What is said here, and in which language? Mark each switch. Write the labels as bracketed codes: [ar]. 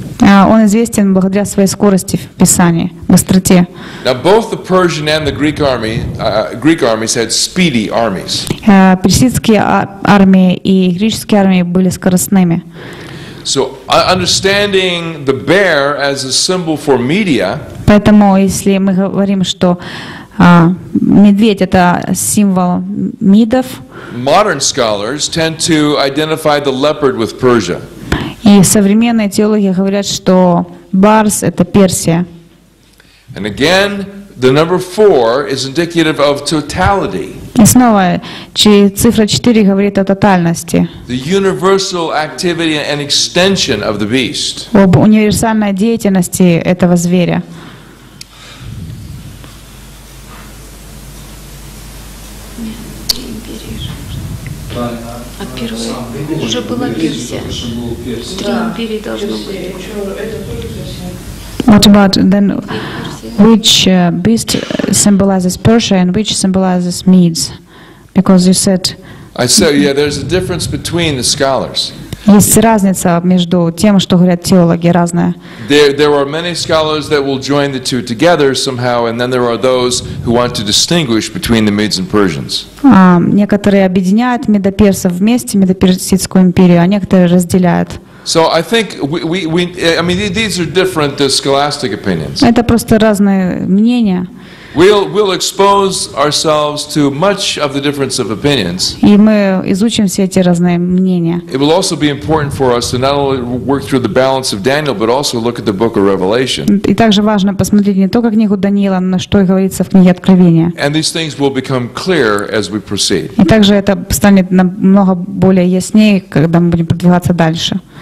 [ru] Он известен благодаря своей скорости в Писании, быстроте. [en] Now both the Persian and the Greek army, Greek armies had speedy armies. [ru] Персидские армии и греческие армии были скоростными. [en] So understanding the bear as a symbol for media. [ru] Поэтому, если мы говорим, что медведь это символ мидов. [en] Modern scholars tend to identify the leopard with Persia. [ru] И современные теологи говорят, что барс это Персия. [en] And again, the number four is indicative of totality. [ru] И снова, цифра 4 говорит о тотальности. [en] The universal activity and extension of the beast. [ru] Об универсальной деятельности этого зверя. Уже была Персия. Три империи должно быть. [en] What about then? Which beast symbolizes Persia and which symbolizes Medes? Because you said. I said, yeah. There's a difference between the scholars. [ru] Есть разница между тем, что говорят теологи, разная. [en] There are many scholars that will join the two together somehow, and then there are those who want to distinguish between the Medes and Persians. [ru] Некоторые объединяют медоперсов вместе, медоперсидскую империю, а некоторые разделяют. [en] So I think we these are different scholastic opinions. [ru] Это просто разные мнения. [en] We'll expose ourselves to much of the difference of opinions. [ru] И мы изучим все эти разные мнения. [en] It will also be important for us to not only work through the balance of Daniel, but also look at the book of Revelation. [ru] И также важно посмотреть не только книгу Даниила, но что говорится в книге Откровения. [en] And these things will become clear as we proceed. [ru] И также это станет намного более яснее, когда мы будем продвигаться дальше.